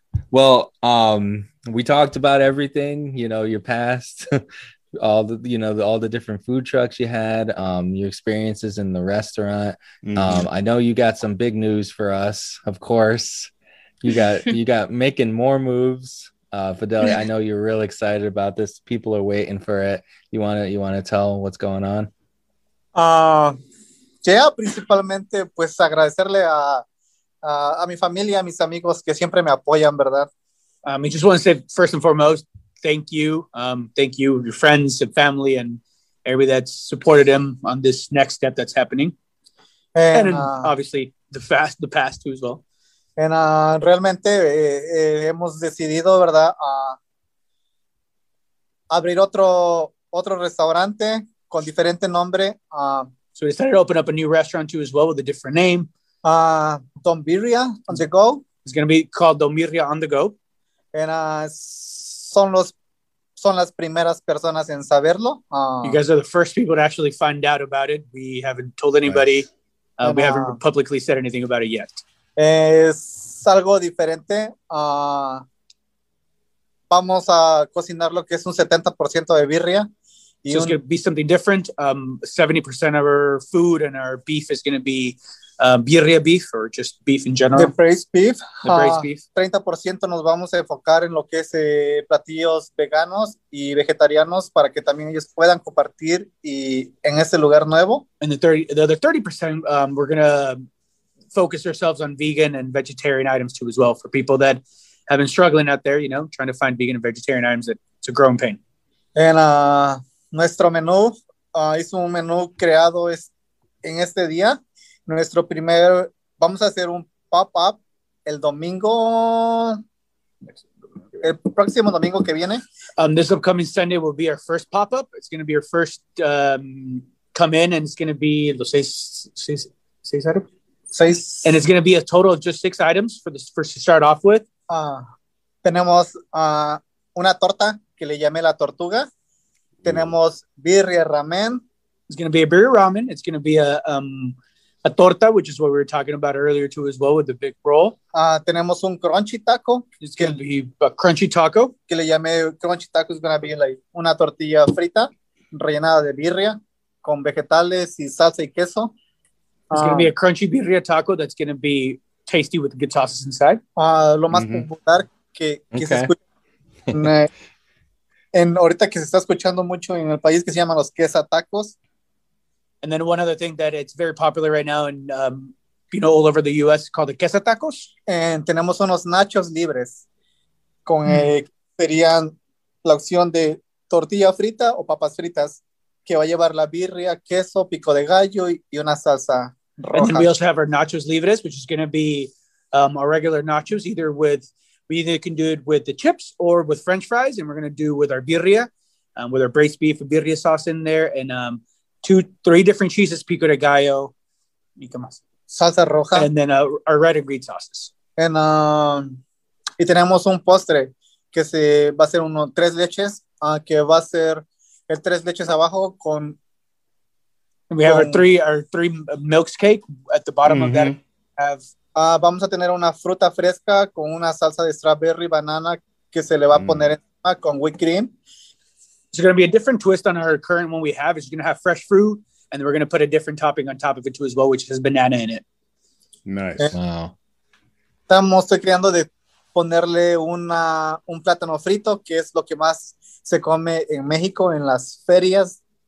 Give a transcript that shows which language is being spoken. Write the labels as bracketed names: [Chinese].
[English] Well, we talked about everything, you know, your past, all the different food trucks you had, your experiences in the restaurant. Mm-hmm. I know you got some big news for us. Of course, you got making more moves. Fidelia, I know you're real excited about this. People are waiting for it. You want to tell what's going on? [Spanish] Principalmente, pues agradecerle a mi familia, a mis amigos que siempre me apoyan, ¿verdad? [English] I just want to say, first and foremost, thank you. Thank you, your friends and family and everybody that's supported him on this next step that's happening. And obviously, the past too as well. [Spanish] And realmente, hemos decidido, ¿verdad? Abrir otro restaurante. Con diferente nombre. [English] So we decided to open up a new restaurant too as well with a different name. Don Birria on the go. It's going to be called Don Birria on the go. [Spanish] And son las primeras personas en saberlo. [English] You guys are the first people to actually find out about it. We haven't told anybody. Nice. We haven't publicly said anything about it yet. [Spanish] Es algo diferente. Vamos a cocinar lo que es un 70% de birria. [English] So it's going to be something different. 70% of our food and our beef is going to be birria beef or just beef in general? The braised beef. The braised beef. [Spanish] 30% nos vamos a enfocar en lo que es platillos veganos y vegetarianos para que también ellos puedan compartir y en ese lugar nuevo. [English] And the other 30%, we're going to focus ourselves on vegan and vegetarian items too as well for people that have been struggling out there, you know, trying to find vegan and vegetarian items that to grow in pain. [Spanish] En nuestro menú, es un menú creado en este día. Nuestro primer, vamos a hacer un pop-up el domingo, el próximo domingo que viene. [English] This upcoming Sunday will be our first pop-up. It's going to be our first come in, and it's going to be [Spanish] los seis items. Seis. [English] And it's going to be a total of just six items for the first to start off with. [Spanish] Tenemos una torta que le llamé la tortuga. Tenemos birria ramen. [English] It's going to be a birria ramen. It's going to be a torta, which is what we were talking about earlier too as well with the big roll. [Spanish] Tenemos un crunchy taco. [English] It's going to be a crunchy taco. [Spanish] Que le llamé crunchy taco. [English] It's going to be like [Spanish] una tortilla frita rellenada de birria con vegetales y salsa y queso. [English] It's going to be a crunchy birria taco that's going to be tasty with good sauces inside. [Spanish] Lo más popular que se escucha en ahorita que se está escuchando mucho en el país que se llama los quesa tacos. [English] And then one other thing that it's very popular right now and you know, all over the US called the quesa tacos. [Spanish] And tenemos unos nachos libres con serían la opción de tortilla frita o papas fritas que va a llevar la birria, queso, pico de gallo y una salsa roja. [English] And then we also have our nachos libres, which is going to be our regular nachos, either with, we either can do it with the chips or with French fries, and we're going to do with our birria, with our braised beef and birria sauce in there, and three different cheeses, pico de gallo, [Spanish] y qué más. Salsa roja. [English] And then our red and green sauces. [Spanish] And y tenemos un postre que se va a ser uno tres leches, que va a ser el tres leches abajo con. [English] And we have our three milks cake at the bottom of that. [Spanish] Vamos a tener una fruta fresca con una salsa de strawberry banana que se le va a poner encima con whipped cream. [English] It's going to be a different twist on our current one we have. It's going to have fresh fruit, and then we're going to put a different topping on top of it too as well, which has banana in it. Nice. Wow. [Spanish] Estamos creando de ponerle un plátano frito, que es lo que más se come en México en las ferias.